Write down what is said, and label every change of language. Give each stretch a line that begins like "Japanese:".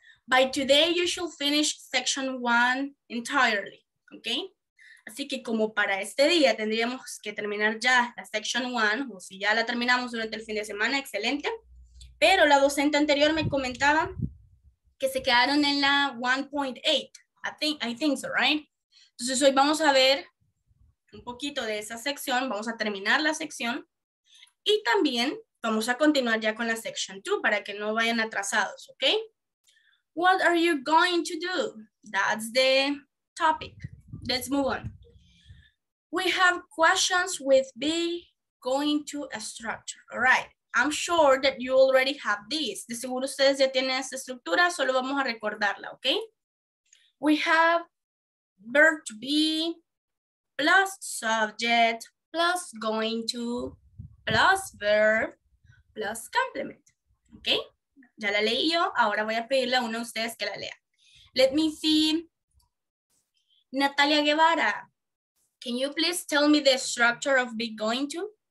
English: By today, you should finish section 1 entirely, okay?
Spanish: Así que como para este día, tendríamos que terminar ya la section 1, o si ya la terminamos durante el fin de semana, excelente. Pero la docente anterior me comentaba que se quedaron en la 1.8.
English: I think so, right?
Spanish: Entonces hoy vamos a ver un poquito de esa sección, vamos a terminar la sección y también vamos a continuar ya con la section 2 para que no vayan atrasados, okay?
English: What are you going to do? That's the topic. Let's move on. We have questions with be going to a structure, all right? I'm sure that you already have this.
Spanish: De seguro ustedes ya tienen esta estructura, solo vamos a recordarla, okay?
English: We have verb to be plus subject plus going to plus verb plus complement. Okay?
Spanish: Ya la leí yo. Ahora voy a pedirle a uno de ustedes que la lea.
English: Let me see. Natalia Guevara, can you please tell me the structure of be going to?